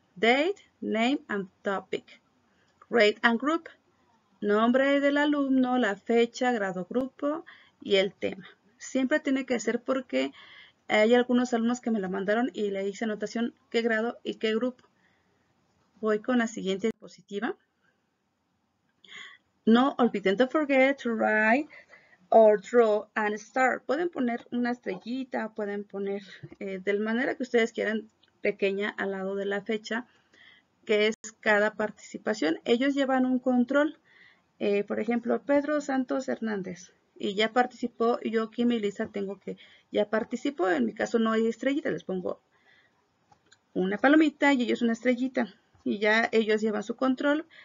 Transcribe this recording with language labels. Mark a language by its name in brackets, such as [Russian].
[English] Date, name and topic. Grade and group. [Spanish] Nombre del alumno, la fecha, grado, grupo y el tema. Siempre tiene que ser porque hay algunos alumnos que me la mandaron y le hice anotación qué grado y qué grupo. Voy con la siguiente diapositiva. No olviden, [English] don't forget to write or draw and star. [Spanish] Pueden poner una estrellita, pueden poner de manera que ustedes quieran, pequeña al lado de la fecha, que es cada participación. Ellos llevan un control, por ejemplo, Pedro Santos Hernández, y ya participó. Yo aquí en mi lista tengo que ya participó. En mi caso no hay estrellita, les pongo una palomita y ellos una estrellita, y ya ellos llevan su control.